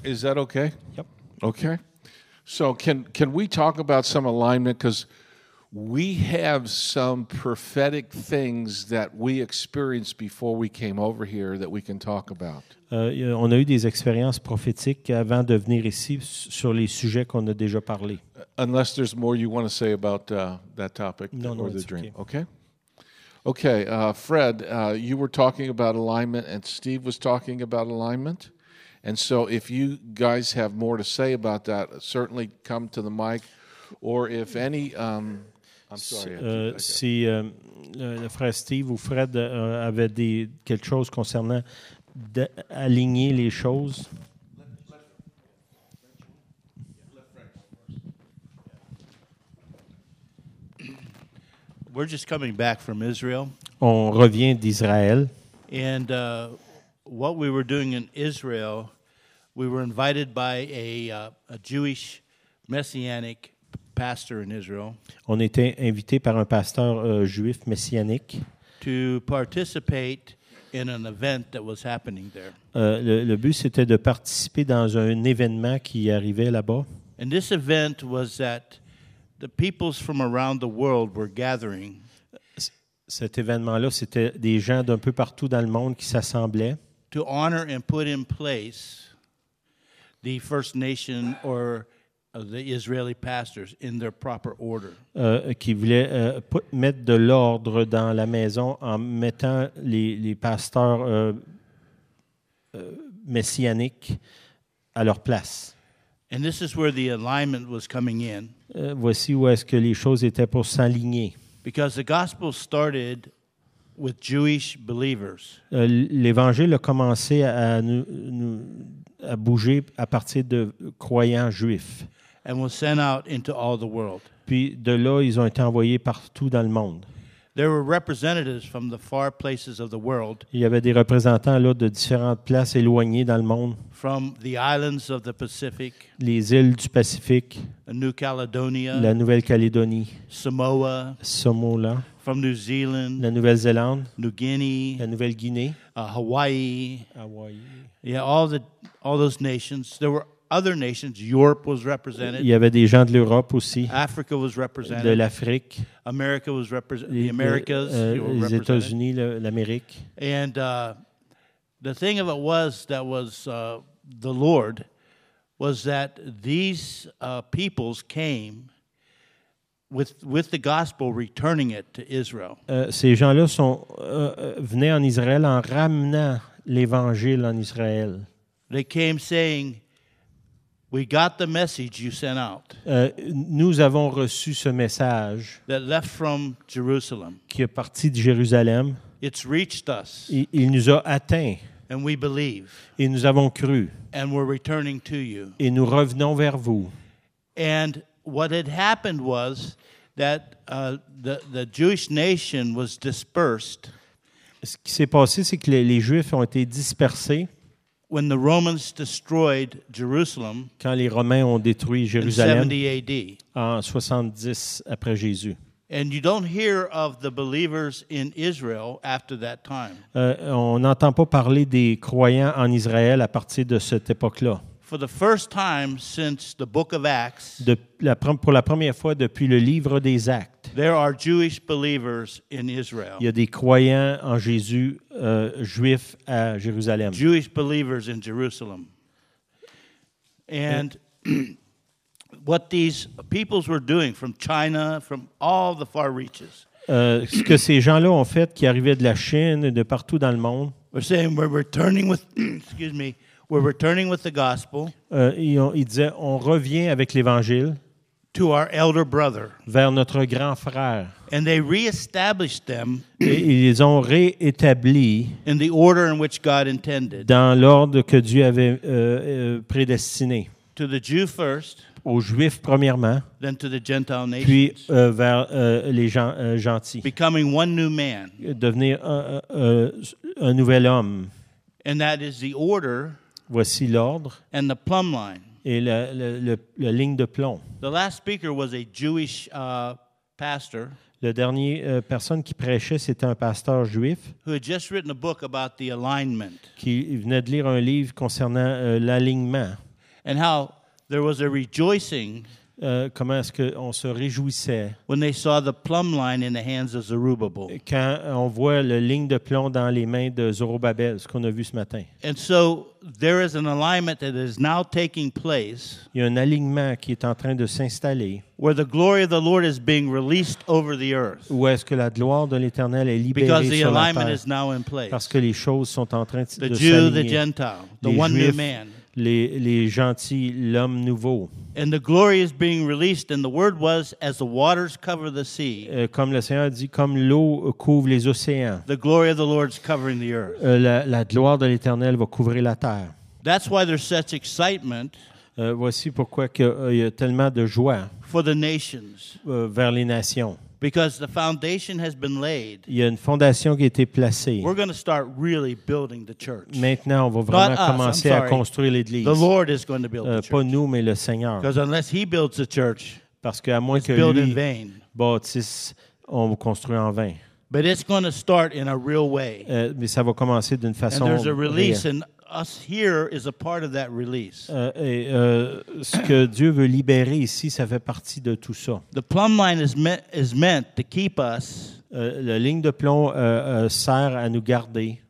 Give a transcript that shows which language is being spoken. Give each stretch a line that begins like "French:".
English: Is that okay? Yep. Okay. So can we talk about some alignment, because we have some prophetic things that we experienced before we came over here that we can talk about.
French: On a eu des expériences prophétiques avant de venir ici sur les sujets qu'on a déjà parlé.
English: Unless there's more you want to say about that topic or the dream. Okay. Okay, Fred, you were talking about alignment and Steve was talking about alignment. And so if you guys have more to say about that, certainly come to the mic. Or if any...
French: Le frère Steve ou Fred avait quelque chose concernant d'aligner les choses.
English: We're just coming back from Israel.
French: On revient d'Israël.
English: And what we were doing in Israel, we were invited by a Jewish messianic pastor in Israel.
French: On était invité par un pasteur juif messianique.
English: To participate in an event that was happening there.
French: Le but c'était de participer dans un événement qui arrivait là-bas.
English: And this event was that the peoples from around the world were gathering.
French: Cet événement-là, c'était des gens d'un peu partout dans le monde qui s'assemblaient.
English: To honor and put in place the First Nation or the Israeli pastors in their proper order.
French: Qui voulait mettre de l'ordre dans la maison en mettant les pasteurs messianiques à leur place.
English: And this is where the alignment was coming in.
French: Voici où est-ce que les choses étaient pour s'aligner.
English: Because the gospel started with Jewish believers.
French: L'évangile a commencé à bouger à partir de croyants juifs.
English: And was sent out into all the world.
French: Puis de là, ils ont été envoyés partout dans le monde.
English: There were representatives from the far places of the world.
French: Il y avait des représentants là de différentes places éloignées dans le monde.
English: From the islands of the Pacific.
French: Les îles du Pacifique.
English: New Caledonia.
French: La Nouvelle-Calédonie.
English: Samoa.
French: Samoa.
English: From New Zealand.
French: La Nouvelle-Zélande.
English: New Guinea.
French: La Nouvelle-Guinée.
English: Hawaii.
French: Hawaii.
English: Yeah, all those nations. There were other nations. Europe was represented.
French: Il y avait des gens de l'Europe aussi.
English: Africa was represented.
French: De l'Afrique.
English: America was represented. The Americas were represented.
French: Les États-Unis, l'Amérique.
English: And the thing of it was that was the Lord was that these peoples came with the gospel returning it to Israel.
French: Ces gens-là sont venaient en Israël en ramenant l'évangile en Israël.
English: They came saying, we got the message you sent out.
French: Nous avons reçu ce message
English: that left from Jerusalem.
French: Qui est parti de Jérusalem.
English: It's reached us.
French: Il nous a atteint.
English: And we believe.
French: Et nous avons cru.
English: And we're returning to you.
French: Et nous revenons vers vous.
English: And what had happened was that the Jewish nation was dispersed.
French: Ce qui s'est passé, c'est que les Juifs ont été dispersés.
English: When the Romans destroyed Jerusalem,
French: quand les Romains ont détruit Jérusalem
English: in 70 AD,
French: en 70 après Jésus,
English: and you don't hear of the believers in Israel after that time.
French: On n'entend pas parler des croyants en Israël à partir de cette époque-là.
English: For the first time since the Book of Acts,
French: pour la première fois depuis le livre des Actes,
English: there are Jewish believers in Israel.
French: Il y a des croyants en Jésus juifs à Jérusalem.
English: Jewish believers in Jerusalem. And what these peoples were doing from China, from all the far reaches.
French: Ce que ces gens-là ont fait, qui arrivaient de la Chine et de partout dans le monde.
English: We're saying we're returning with, excuse me. We're returning with the gospel.
French: Il disait, on revient avec l'évangile.
English: To our elder brother.
French: Vers notre grand frère.
English: And they reestablished them.
French: Et ils ont réétabli.
English: In the order in which God intended.
French: Dans l'ordre que Dieu avait prédestiné.
English: To the Jew first.
French: Aux Juifs premièrement.
English: Then to the Gentile nations.
French: Puis vers les gens gentils.
English: Becoming one new man.
French: Devenir un nouvel homme.
English: And that is the order.
French: Voici l'ordre.
English: And the plumb line.
French: Et la ligne de plomb.
English: The last speaker was a Jewish pastor.
French: Le dernier personne qui prêchait, c'était un pasteur juif.
English: Who had just written a book about the alignment.
French: Qui venait de lire un livre concernant l'alignement.
English: And how there was a rejoicing.
French: Comment est-ce qu'on se réjouissait.
English: When they saw the plumb line in the hands of Zerubbabel.
French: Quand on voit la ligne de plomb dans les mains de Zerubbabel, ce qu'on a vu ce matin.
English: And so there is an alignment that is now taking place.
French: Il y a un alignement qui est en train de s'installer.
English: Where the glory of the Lord is being released over the earth.
French: Où est-ce que la gloire de l'Éternel est libérée sur la terre.
English: Because the alignment is now in place.
French: Parce que les choses sont en train de s'aligner.
English: The Jew, the Gentile, the one new man.
French: Les gentils, l'homme nouveau.
English: And the glory is being released, and the word was, as the waters cover the sea.
French: Comme le Seigneur dit, comme l'eau couvre les océans.
English: The glory of the Lord is covering the earth.
French: La gloire de l'Éternel va couvrir la terre.
English: That's why there's such excitement.
French: Voici pourquoi il y a tellement de joie.
English: For the nations.
French: Vers les nations.
English: Because the foundation has been laid.
French: Il y a une fondation qui a été placée.
English: We're going to start really building the church.
French: Maintenant, on va vraiment commencer à construire l'église.
English: The Lord is going to build the church.
French: Pas nous, mais le Seigneur.
English: Because unless he builds the church,
French: parce qu'à moins
English: it's
French: que
English: built
French: lui
English: in vain.
French: Bâtisse, on construit en vain.
English: But it's going to start in a real way.
French: Mais ça va commencer d'une façon réelle.
English: And there's a release, and us here is a part of that release.
French: Ce que Dieu veut libérer ici, ça fait partie de tout ça.
English: The plumb line is meant to keep us.
French: La ligne de plomb sert à nous garder.